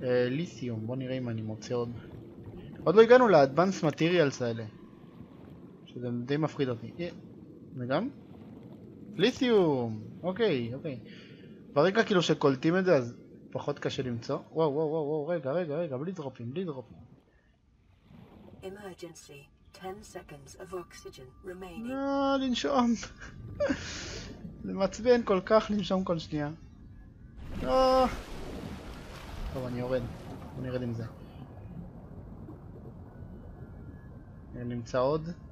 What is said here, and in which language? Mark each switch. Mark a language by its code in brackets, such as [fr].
[he] ליתיום, בוא נראה אם אני מוצא עוד. עוד לא הגענו לאדבנס מטיריאלס האלה. שזה די מפחיד אותי. וגם? פליסיום! אוקיי, אוקיי. ברגע כאילו שקולטים את זה, אז פחות קשה למצוא. וואו, וואו, וואו, רגע, רגע, רגע, בלי דרופים, בלי דרופים. [en] Emergency. 10 seconds of oxygen remaining. [he] לא, לנשום. זה מצבן כל כך לנשום כל שנייה. לא. טוב, אני יורד. בוא נרד עם זה. נמצא עוד.